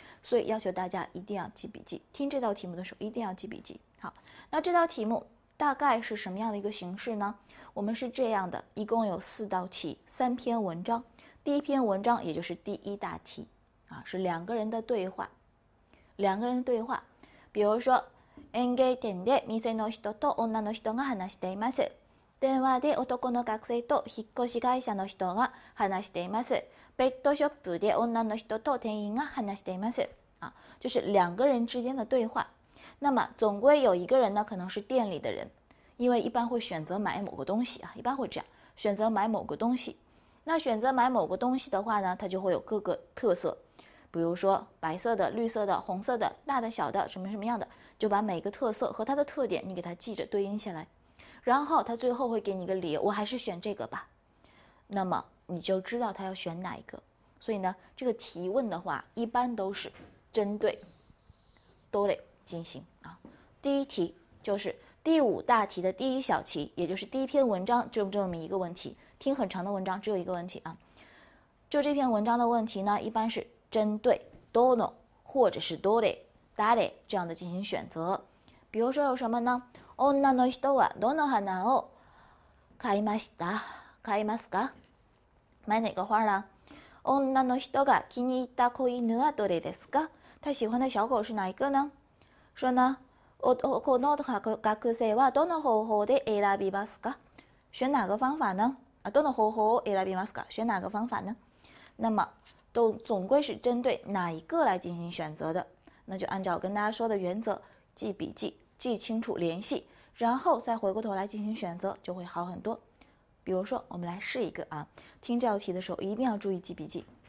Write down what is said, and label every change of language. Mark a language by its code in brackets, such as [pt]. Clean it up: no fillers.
[zh] 所以要求大家一定要记笔记，听这道题目的时候一定要记笔记。好，那这道题目大概是什么样的一个形式呢？我们是这样的，一共有4道题，3篇文章。第一篇文章也就是第一大题啊，是两个人的对话，两个人的对话。比如说， [ja] 園芸店で店の人と女の人が話しています。電話で男の学生と引っ越し会社の人が話しています。ペットショップで女の人と店員が話しています。 [zh] 就是两个人之间的对话。那么总归有一个人呢，可能是店里的人，因为一般会选择买某个东西啊，一般会这样选择买某个东西。那选择买某个东西的话呢，它就会有各个特色，比如说白色的、绿色的、红色的、大的、小的，什么什么样的，就把每个特色和它的特点你给它记着对应起来。然后他最后会给你一个理由，我还是选这个吧。那么你就知道他要选哪一个。所以呢，这个提问的话，一般都是针对多类进行啊。第一题就是第5大题的第1小题，也就是第一篇文章，就这么一个问题。听很长的文章，只有一个问题啊。就这篇文章的问题呢，一般是针对どの或者是どれ、誰这样的进行选择。比如说有什么呢？ [ja] 女の人はどの花を買いました？買いますか？ [zh] 买哪个花呢？ [ja] 女の人が気に入った子犬はどれですか？ [zh] 她喜欢的小狗是哪一个呢？说呢， [ja] 男の学生はどの方法で選びますか？ [zh] 选哪个方法呢？啊， [ja] どの方法を選びますか？ [zh] 选哪个方法呢？那么都总归是针对哪一个来进行选择的，那就按照我跟大家说的原则记笔记。记清楚联系，然后再回过头来进行选择，就会好很多。比如说，我们来试一个啊，听这道题的时候一定要注意记笔记。